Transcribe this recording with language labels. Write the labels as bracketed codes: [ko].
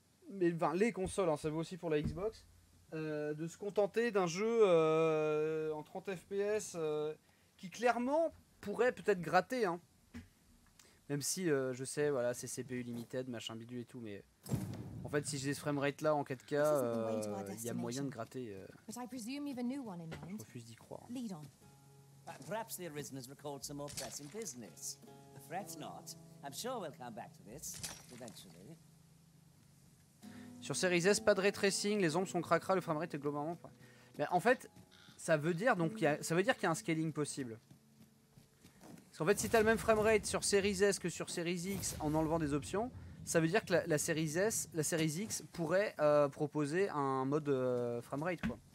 [fr] Mais enfin les consoles, hein, ça vaut aussi pour la Xbox. De se contenter d'un jeu en 30 FPS qui clairement pourrait peut-être gratter hein. Même si je sais voilà c'est CPU limited machin bidule et tout mais en fait si j'ai ce framerate là en 4K il y a moyen de gratter je refuse d'y croire hein. [en] Perhaps the Arisen has recalled some more pressing business. Fret not, I'm sure we'll come back to this eventually. [fr] Sur Series S, pas de ray tracing, les ombres sont cracra, le framerate est globalement. Mais en fait, ça veut dire donc ça veut dire qu'il y a un scaling possible. Parce qu'en fait, si t'as le même framerate sur Series S que sur Series X en enlevant des options, ça veut dire que la Series X pourrait proposer un mode framerate quoi.